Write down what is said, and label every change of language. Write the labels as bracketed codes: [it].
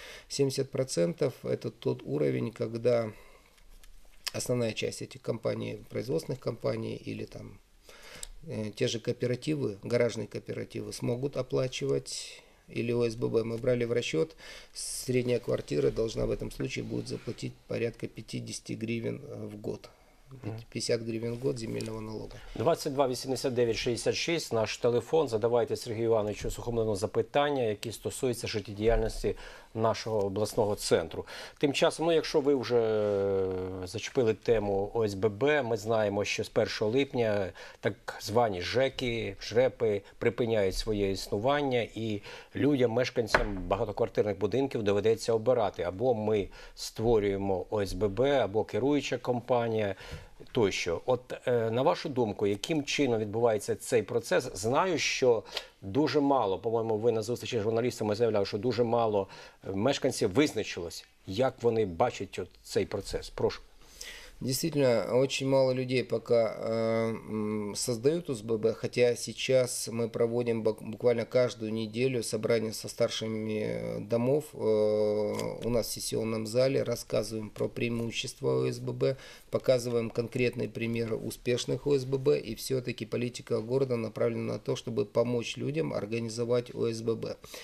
[ru] 70% – это тот уровень, когда основная часть этих компаний, производственных компаний или там те же кооперативы, гаражные кооперативы смогут оплачивать или ОСББ. Мы брали в расчет, средняя квартира должна в этом случае будет заплатить порядка 50 гривен в год. 50 гривен в год земельного налога. 22-89-66, наш телефон. [uk] Задавайте Сергію Івановичу Сухомлину запитання, які стосуються життєдіяльності нашого обласного центру. Тим часом, ну, якщо ви вже зачепили тему ОСББ, ми знаємо, що з 1 липня так звані ЖЕКи, ЖРЕПи припиняють своє існування, і людям, мешканцям багатоквартирних будинків доведеться обирати. Або ми створюємо ОСББ, або керуюча компанія тощо. От, на вашу думку, яким чином відбувається цей процес? Знаю, що дуже мало, по-моєму, ви на зустрічі з журналістами заявляли, що дуже мало мешканців визначилось, як вони бачать от цей процес. Прошу. [ru] Действительно, очень мало людей пока создают ОСББ, хотя сейчас мы проводим буквально каждую неделю собрание со старшими домов у нас в сессионном зале, рассказываем про преимущества ОСББ, показываем конкретный пример успешных ОСББ, и все-таки политика города направлена на то, чтобы помочь людям организовать ОСББ.